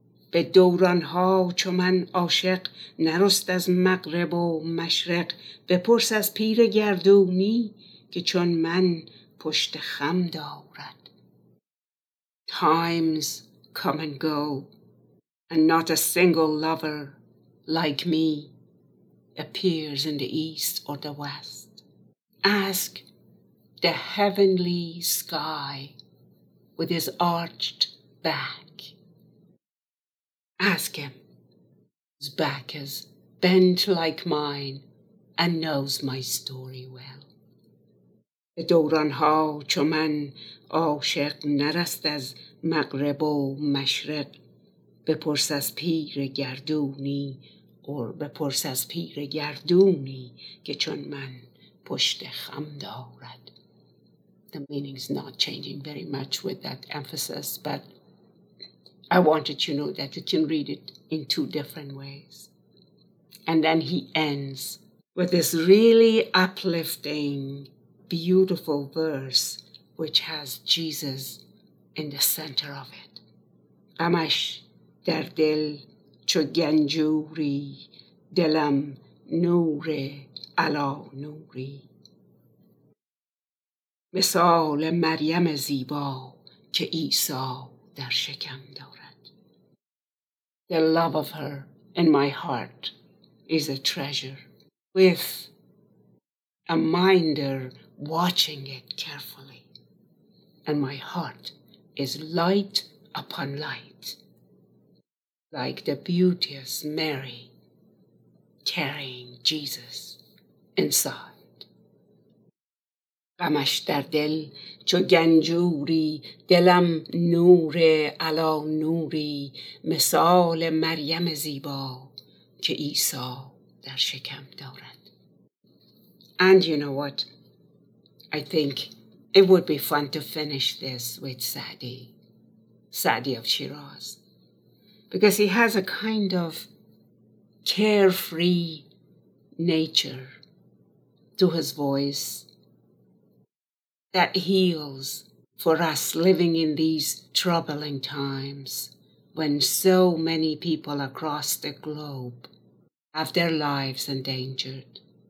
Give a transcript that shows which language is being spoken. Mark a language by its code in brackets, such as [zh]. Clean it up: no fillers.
[fa] به دورانها چو من عاشق نرست از مغرب و مشرق بپرس از پیر گردونی که چون من پشت خم دارد. [en] Times come and go and not a single lover like me appears in the east or the west. Ask the heavenly sky with his arched back. Ask him, his back is bent like mine and knows my story well. [fa] به دورانها چو من عاشق نرست از مغرب و مشرق بپرس از پیر گردونی اور بپرس از پیر گردونی که چون من پشت خم دارد. [en] The meaning's not changing very much with that emphasis, but I wanted you to know that you can read it in two different ways. And then he ends with this really uplifting, beautiful verse, which has Jesus in the center of it. [fa] Amash در دل چو گنجوری دلم نور علا نوری مثال مریم زیبا که عیسی در شکم دارد. [en] The love of her in my heart is a treasure with a minder watching it carefully. And my heart is light upon light, like the beauteous Mary carrying Jesus inside. [fa] غمش در دل چو گنجوری دلم نور علا نوری مثال مریم زیبا که عیسی در شکم دارد. [en] And you know what? I think it would be fun to finish this with Sa'di. Sa'di of Shiraz. Because he has a kind of carefree nature to his voice that heals for us living in these troubling times when so many people across the globe have their lives endangered,